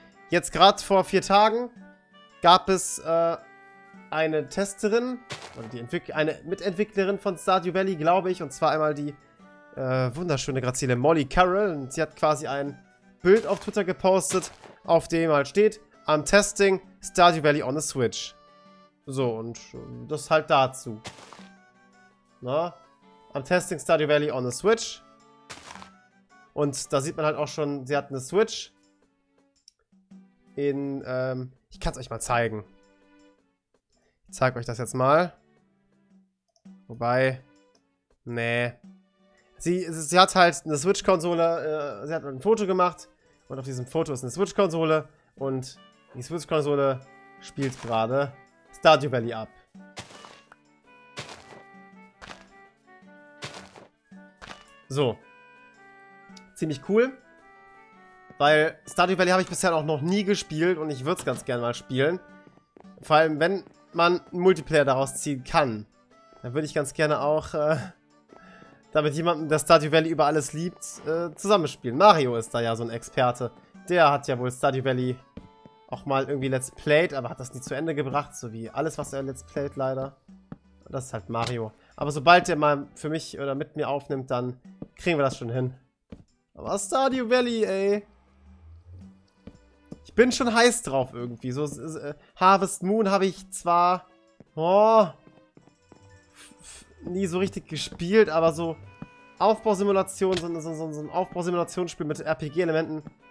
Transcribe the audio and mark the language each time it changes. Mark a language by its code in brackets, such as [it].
[de] Jetzt gerade vor 4 Tagen gab es eine Testerin, oder die eine Mitentwicklerin von Stardew Valley, glaube ich, und zwar einmal die wunderschöne Grazile Molly Carroll. Und sie hat quasi ein Bild auf Twitter gepostet, auf dem halt steht: [en] I'm testing Stardew Valley on the Switch. [de] So, und das halt dazu. Na? [en] I'm testing Stardew Valley on the Switch. [de] Und da sieht man halt auch schon, sie hat eine Switch. In, ich kann es euch mal zeigen. Ich zeige euch das jetzt mal. Wobei, nee. Sie hat halt eine Switch-Konsole, sie hat ein Foto gemacht. Und auf diesem Foto ist eine Switch-Konsole. Und die Switch-Konsole spielt gerade Stardew Valley ab. So. Ziemlich cool. Weil Stardew Valley habe ich bisher auch noch nie gespielt und ich würde es ganz gerne mal spielen. Vor allem, wenn man einen Multiplayer daraus ziehen kann. Dann würde ich ganz gerne auch, damit jemand, der Stardew Valley über alles liebt, zusammenspielen. Mario ist da ja so ein Experte. Der hat ja wohl Stardew Valley auch mal irgendwie Let's Played, aber hat das nie zu Ende gebracht. So wie alles, was er Let's Played leider. Das ist halt Mario. Aber sobald er mal für mich oder mit mir aufnimmt, dann kriegen wir das schon hin. Aber Stardew Valley, ey. Bin schon heiß drauf irgendwie. So Harvest Moon habe ich zwar nie so richtig gespielt, aber so Aufbausimulation, so ein Aufbausimulationsspiel mit RPG-Elementen.